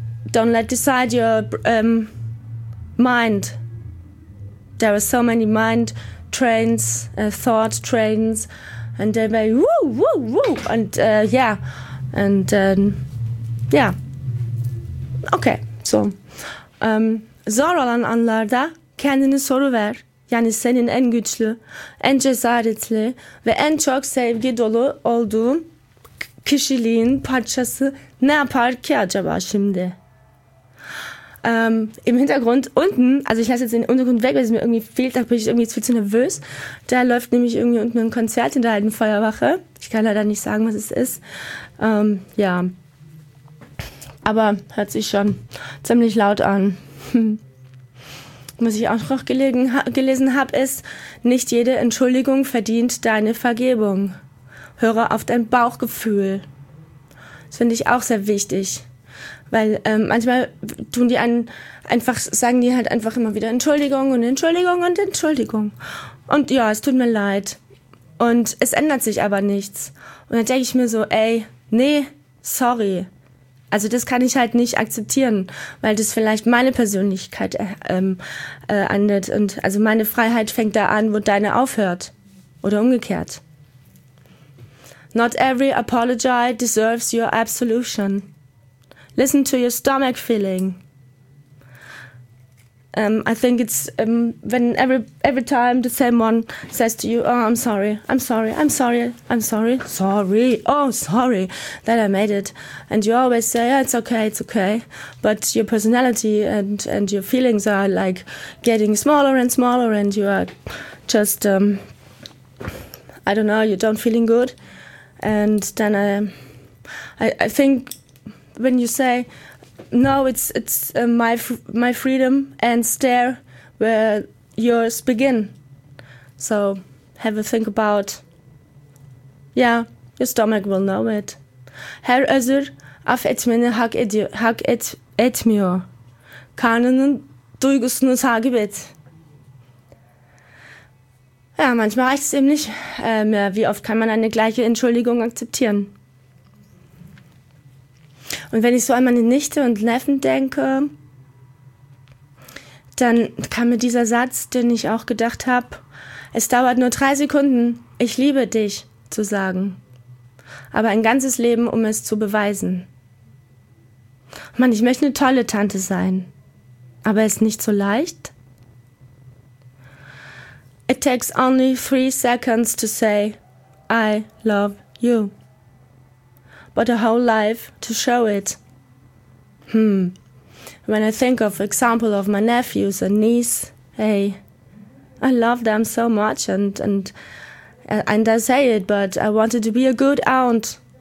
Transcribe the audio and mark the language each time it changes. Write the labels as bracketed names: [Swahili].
[English] Don't let decide your mind. There are so many mind trains, thought trains, and they're very woo, woo, woo, and yeah. And yeah. Okay, so. [Turkish] Zor olan anlarda kendini soru ver. Yani senin en güçlü, en cesaretli ve en çok sevgi dolu olduğun kişiliğin parçası ne yapar ki acaba şimdi? [German] Im Hintergrund unten, also ich lasse jetzt den Untergrund weg, weil es mir irgendwie fehlt, da bin ich irgendwie viel zu nervös. Da läuft nämlich irgendwie unten ein Konzert in der alten Feuerwache. Ich kann leider nicht sagen, was es ist. Ja. Aber hört sich schon ziemlich laut an. Was ich auch noch gelesen habe, ist, nicht jede Entschuldigung verdient deine Vergebung. Höre auf dein Bauchgefühl. Das finde ich auch sehr wichtig. Weil manchmal tun die einen einfach, sagen die halt einfach immer wieder Entschuldigung und Entschuldigung und Entschuldigung. Und ja, es tut mir leid. Und es ändert sich aber nichts. Und dann denke ich mir so, ey, nee, sorry. Also das kann ich halt nicht akzeptieren, weil das vielleicht meine Persönlichkeit endet. Und also meine Freiheit fängt da an, wo deine aufhört. Oder umgekehrt. [English] Not every apology deserves your absolution. Listen to your stomach feeling. I think it's when every time the same one says to you, oh, I'm sorry, I'm sorry, I'm sorry, I'm sorry, sorry, oh, sorry that I made it. And you always say, yeah, it's okay, it's okay. But your personality and your feelings are like getting smaller and smaller and you are just, I don't know, you don't feeling good. And then I think when you say, no, it's my freedom ends there where yours begin. So have a think about, yeah, your stomach will know it. [Turkish] Her özür affetmeni hak etmiyor. Karnının duygusunu takip et. [German] Ja, manchmal reicht es eben nicht mehr. Wie oft kann man eine gleiche Entschuldigung akzeptieren? Und wenn ich so an meine Nichte und Neffen denke, dann kam mir dieser Satz, den ich auch gedacht habe, es dauert nur 3 Sekunden, ich liebe dich zu sagen, aber ein ganzes Leben, um es zu beweisen. Mann, ich möchte eine tolle Tante sein, aber ist nicht so leicht? [English] It takes only 3 seconds to say, I love you. But a whole life to show it. When I think of example of my nephews and niece, hey, I love them so much and I say it, but I wanted to be a good aunt.